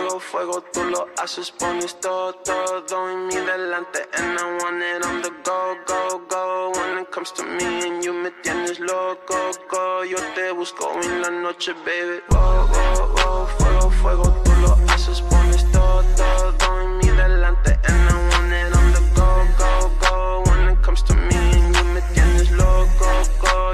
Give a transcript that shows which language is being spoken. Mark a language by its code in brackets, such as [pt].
[es] Fuego, tú lo haces, pones todo, todo en mi delante. [en] And I want it on the go, go, go. When it comes to me and you, [es] me tienes loco, [en] go. [es] Yo te busco en la noche, baby. Wow, wow, wow, fuego, fuego, tú lo haces, pones todo, todo en mi delante. [en] And I want it on the go, go, go. When it comes to me and you, [es] me tienes loco, [en] go.